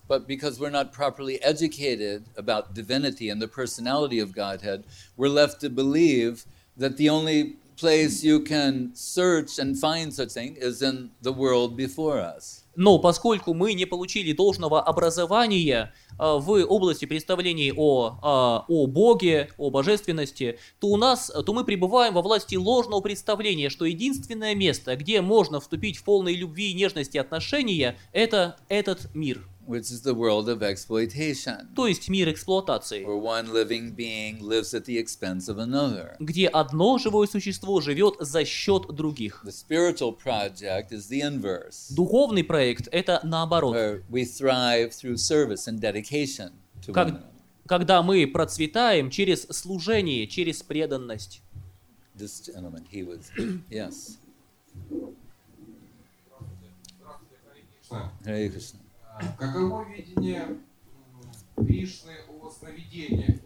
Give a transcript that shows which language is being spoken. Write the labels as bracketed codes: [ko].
[en] But because we're not properly educated about divinity and the personality of Godhead, we're left to believe that the only place you can search and find such thing is in the world before us. [ru] Но поскольку мы не получили должного образования в области представлений о Боге, о божественности, то мы пребываем во власти ложного представления, что единственное место, где можно вступить в полные любви и нежности отношения, это этот мир. [en] Which is the world of exploitation. [ru] То есть мир эксплуатации. [en] Where one living being lives at the expense of another. [ru] Где одно живое существо живет за счет других. [en] The spiritual project is the inverse. [ru] Духовный проект – это наоборот. [en] Where we thrive through service and dedication to one another. [ru] Когда мы процветаем через служение, через преданность. [en] This gentleman, he was... Yes. Hare Krishna. [ru] Каково видение Кришны о сновидениях?